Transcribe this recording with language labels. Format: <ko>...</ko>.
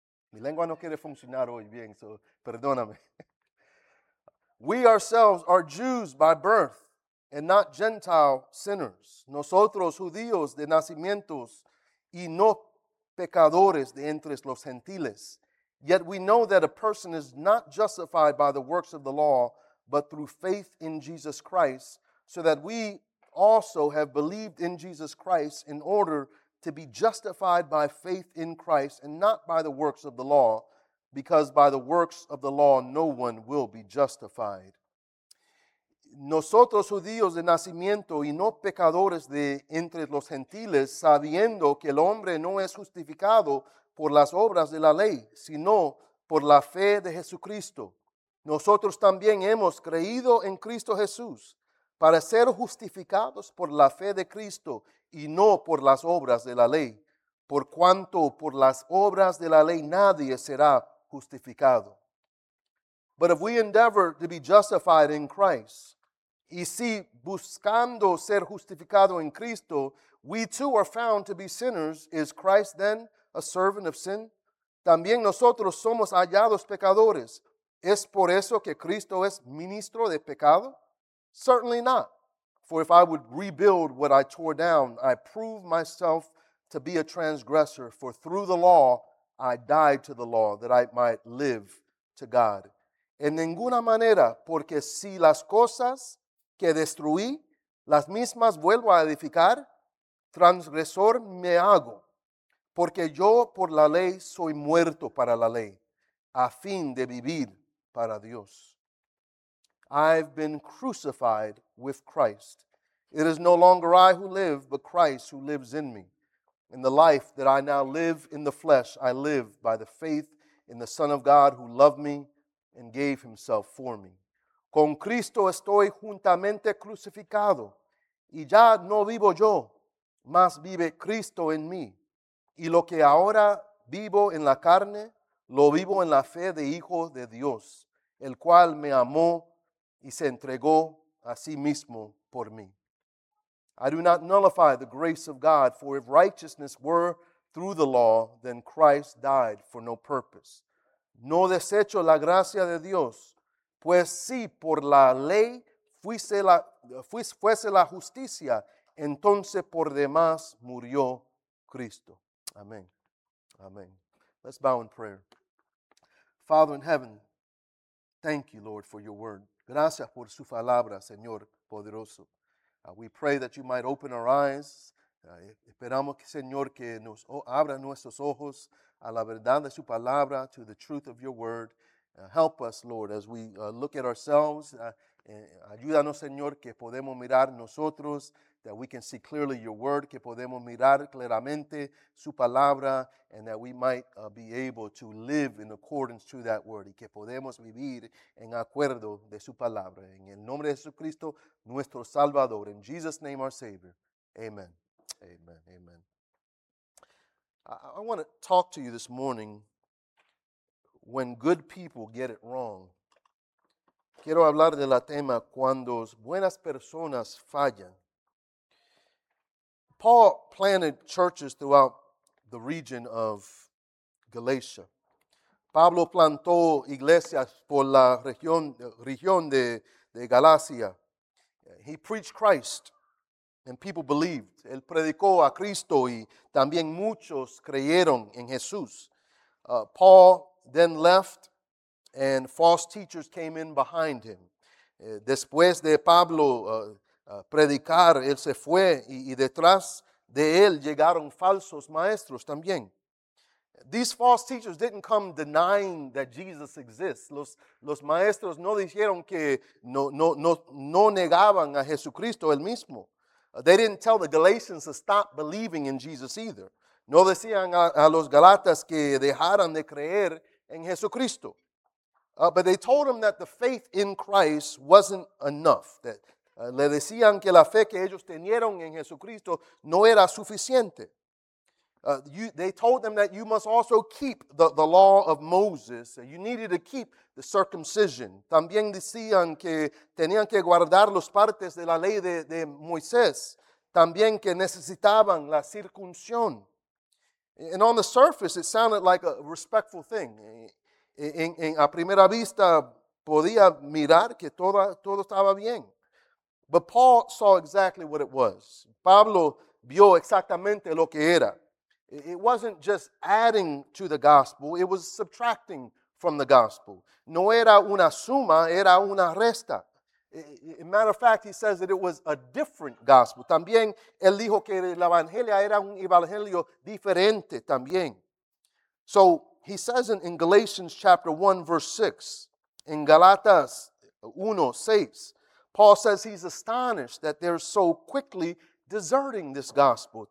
<es>Mi lengua no quiere funcionar hoy bien, so perdóname.</es> <en>We ourselves are Jews by birth and not Gentile sinners.</en> <es>Nosotros judíos de nacimientos y no pecadores de entre los gentiles.</es> <en>Yet we know that a person is not justified by the works of the law, but through faith in Jesus Christ, so that we also have believed in Jesus Christ in order to be justified by faith in Christ and not by the works of the law, because by the works of the law no one will be justified.</en> <es>Nosotros judíos de nacimiento y no pecadores de entre los gentiles, sabiendo que el hombre no es justificado por las obras de la ley, sino por la fe de Jesucristo. Nosotros también hemos creído en Cristo Jesús para ser justificados por la fe de Cristo y no por las obras de la ley, Por cuanto por las obras de la ley nadie será justificado.</es> <en>But if we endeavor to be justified in Christ,</en> <es>y si buscando ser justificado en Cristo,</es> <en>we too are found to be sinners, is Christ then a servant of sin?</en> <es>También nosotros somos hallados pecadores. ¿Es por eso que Cristo es ministro de pecado?</es> <en>Certainly not. For if I would rebuild what I tore down, I prove myself to be a transgressor, for through the law I died to the law, that I might live to God.</en> <es>En ninguna manera, porque si las cosas que destruí, las mismas vuelvo a edificar, transgresor me hago, porque yo por la ley soy muerto para la ley, a fin de vivir para Dios.</es> <en>I've been crucified with Christ. It is no longer I who live, but Christ who lives in me. In the life that I now live in the flesh, I live by the faith in the Son of God who loved me and gave himself for me.</en> <es>Con Cristo estoy juntamente crucificado, y ya no vivo yo, mas vive Cristo en mí. Y lo que ahora vivo en la carne, lo vivo en la fe de Hijo de Dios, el cual me amó y se entregó a sí mismo por mí.</es> <en>I do not nullify the grace of God, for if righteousness were through the law, then Christ died for no purpose.</en> <es>No desecho la gracia de Dios, pues si por la ley fuese la justicia, entonces por demás murió Cristo.</es> <en>Amen. Amen. Let's bow in prayer. Father in heaven, thank you, Lord, for your word.</en> <es>Gracias por su palabra, Señor poderoso.</es> <en>We pray that you might open our eyes.</en> <es>Esperamos, Señor, que nos abra nuestros ojos a la verdad de su palabra,</es> <en>to the truth of your word. Help us, Lord, as we look at ourselves.</en> <es>Ayúdanos, Señor, que podemos mirar nosotros,</es> <en>that we can see clearly your word,</en> <es>que podemos mirar claramente su palabra,</es> <en>and that we might be able to live in accordance to that word,</en> <es>y que podemos vivir en acuerdo de su palabra. En el nombre de Jesucristo, nuestro Salvador.</es> <en>In Jesus' name, our Savior.</en> <es>Amen. Amen.</es> <en>Amen. I want to talk to you this morning when good people get it wrong.</en> <es>Quiero hablar del tema cuando buenas personas fallan.</es> <en>Paul planted churches throughout the region of Galatia.</en> <es>Pablo plantó iglesias por la región de Galacia.</es> <en>He preached Christ and people believed.</en> <es>Él predicó a Cristo y también muchos creyeron en Jesús.</es> <en>Paul then left and false teachers came in behind him.</en> <es>Después de Pablo predicar, él se fue y detrás de él llegaron falsos maestros también.</es> <en>These false teachers didn't come denying that Jesus exists.</en> <es>Los maestros no dijeron que no negaban a Jesucristo el mismo.</es> <en>They didn't tell the Galatians to stop believing in Jesus either.</en> <es>No decían a los Galatas que dejaran de creer en Jesucristo.</es> <en>But they told them that the faith in Christ wasn't enough.</en> <es>That le decían que la fe que ellos tenieron en Jesucristo no era suficiente.</es> <en>They told them that you must also keep the law of Moses. You needed to keep the circumcision.</en> <es>También decían que tenían que guardar las partes de la ley de Moisés. También que necesitaban la circuncisión.</es> <en>And on the surface, it sounded like a respectful thing.</en> <es>A primera vista, podía mirar que todo estaba bien.</es> <en>But Paul saw exactly what it was.</en> <es>Pablo vio exactamente lo que era.</es> <en>It wasn't just adding to the gospel, it was subtracting from the gospel.</en> <es>No era una suma, era una resta.</es> <en>As a matter of fact, he says that it was a different gospel.</en> <es>También él dijo que el evangelio era un evangelio diferente también.</es> <en>So he says in Galatians chapter 1, verse 6, in Galatas 1, 6, Paul says he's astonished that they're so quickly deserting this gospel.</en>